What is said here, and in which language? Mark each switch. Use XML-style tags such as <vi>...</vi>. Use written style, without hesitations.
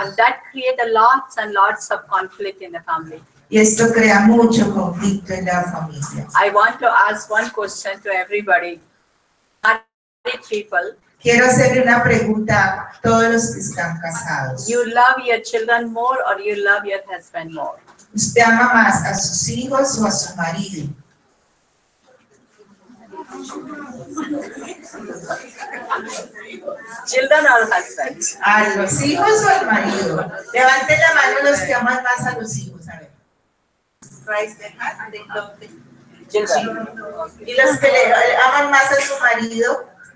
<en>And that creates lots and lots of conflict in the family.</en> <es>Y esto crea mucho conflicto en la familia.</es> <en>I want to ask one question to everybody. Married people,</en> <es>quiero hacerle una pregunta a todos los que están casados.</es> <en>You love your children more or you love your husband more?</en> <es>¿Usted ama más a sus hijos o a su marido?</es> <en>Children or husband?</en> <es>A los hijos o al marido. Levante la mano los que aman más a los hijos. A ver. Christ the heart and the clothing. Y los que le aman más a su marido.</es>